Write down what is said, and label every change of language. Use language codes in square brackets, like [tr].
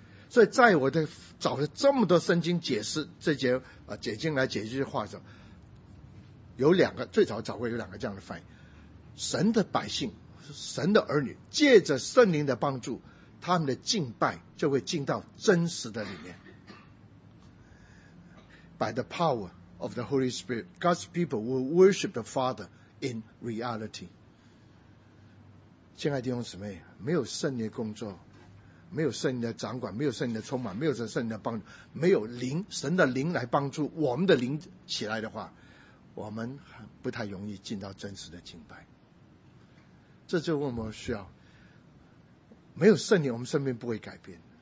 [zh] 所以在我的找了这么多圣经解释这节解经来解这句话的时候，有两个最早找过有两个这样的翻译，神的百姓神的儿女借着圣灵的帮助，他们的敬拜就会进到真实的里面。 [en] By the power of the Holy Spirit, God's people will worship the Father in reality. [zh] 亲爱的弟兄姊妹，没有圣灵的工作，没有圣灵的掌管，没有圣灵的充满，没有圣灵的帮助，没有灵神的灵来帮助我们的灵起来的话，我们不太容易进到真实的敬拜。这就为我们需要没有圣灵，我们生命不会改变。